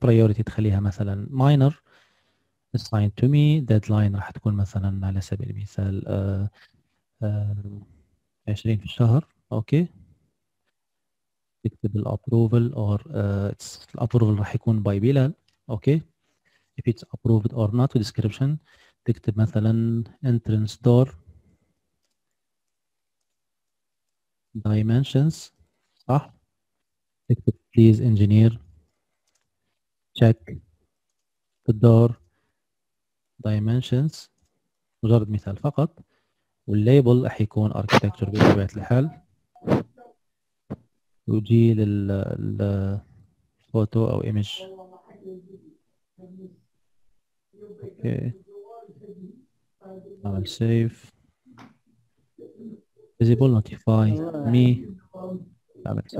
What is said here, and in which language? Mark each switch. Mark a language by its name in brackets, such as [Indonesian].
[Arabic] priority تخليها مثلا minor. [English] assigned to me. [Arabic] deadline راح تكون مثلا على سبيل المثال 20 في الشهر. اوكي تكتب الابروفل اور الابروفل راح يكون باي بلال. [English] Okay if it's approved or not. description [Arabic] تكتب مثلا [English] entrance door dimensions صح. تكتب please engineer check the door dimensions، [Arabic] مجرد مثال فقط. والليبل راح يكون architecture بطبيعة الحال. وجي للفوتو او ايمج. اوكي اعمل سيف فيزيبل نوتيفاي مي اعمل سيف.